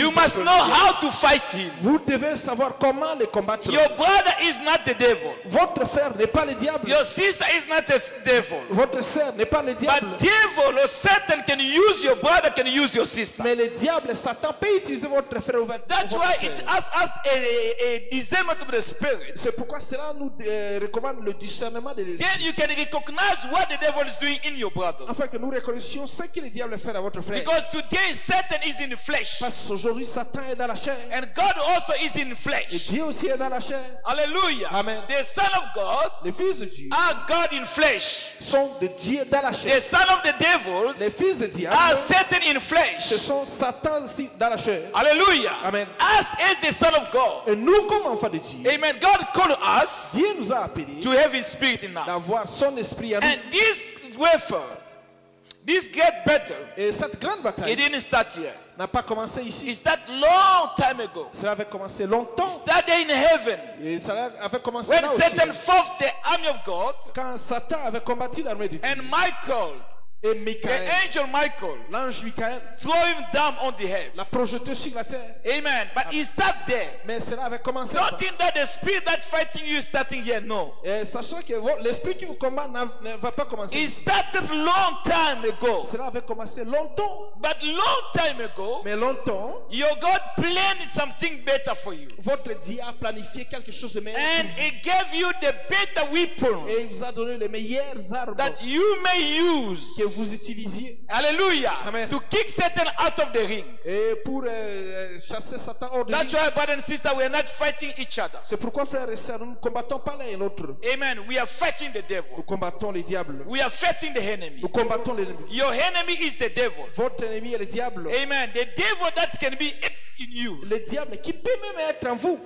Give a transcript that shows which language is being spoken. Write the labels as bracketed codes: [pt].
[en] You must know how to fight him. [fr] Vous devez savoir comment le combattre. [en] Your brother is not the devil. [fr] Votre frère n'est pas le diable. [en] Your sister is not the devil. [fr] Votre sœur n'est pas le diable. [en] But devil or Satan can use your brother, can use your sister. [fr] Mais le diable, Satan peut utiliser votre frère ou votre sœur. [en] That's why it asks us a discernment of the spirit. [fr] C'est pourquoi cela nous recommande le discernement de l'esprit. [en] Then you can recognize what the devil is doing in your brother. [fr] Afin que nous reconnaissions ce que le diable fait à votre frère. [en] Because today Satan is in the flesh. [fr] Parce qu'aujourd'hui Satan est dans la chair. [en] And God also is in flesh. [fr] Et Dieu aussi est dans la chair. Hallelujah. Amen. [en] The Son of God, [fr] les fils de Dieu, [en] are God in flesh. [fr] Sont de Dieu dans la chair. [en] The Son of the devils, [fr] les fils de diable, [en] are Satan in flesh. [fr] Ce sont Satan aussi dans la chair. Hallelujah. Amen. [en] Us as the Son of God. [fr] Et nous comme enfants de Dieu. [en] Amen. God called us. [fr] Dieu nous a appelés. [en] To have His Spirit in us. [fr] D'avoir son esprit en nous. [en] And this wafer. This great battle. [fr] Et cette grande bataille. [en] It didn't start here. [fr] N'a pas commencé ici. [en] It started long time ago. [fr] Cela avait commencé longtemps. [en] It started in heaven. [fr] Et cela avait commencé [en] when [fr] là aussi. [en] When Satan fought the army of God. [fr] Quand Satan avait combattu l'armée de Dieu. [en] And Michael. [fr] Et Michael. [en] The angel Michael. [fr] L'ange Michael. [en] Threw him down on the earth. [fr] L'a projeté sur la terre. [en] Amen. But it started there. [fr] Mais cela avait commencé. [en] Don't think that the spirit that fighting you is starting here. No. [fr] Et sachant que l'esprit qui vous combat ne va pas commencer. [en] It started long time ago. [fr] Cela avait commencé longtemps. [en] But long time ago. [fr] Mais longtemps. [en] Your God planned something better for you. [fr] Votre Dieu a planifié quelque chose de meilleur. [en] And He gave you the better weapon. [fr] Et il vous a donné les meilleures armes. [en] That you may use. [fr] Que vous utilisiez. Alléluia. Amen. [en] To kick Satan out of the ring. [fr] Et pour chasser Satan hors de ring. [en] That's why, brother and sister, we are not fighting each other. [fr] C'est pourquoi, frères et sœurs, nous ne combattons pas l'un et l'autre. [en] Amen. We are fighting the devil. [fr] Nous combattons le diable. [en] We are fighting the enemy. [fr] Nous combattons l'ennemi. [en] Your enemy is the devil. [fr] Votre ennemi est le diable. [en] Amen. The devil that can be in you. [fr] Le diable qui peut même être en vous.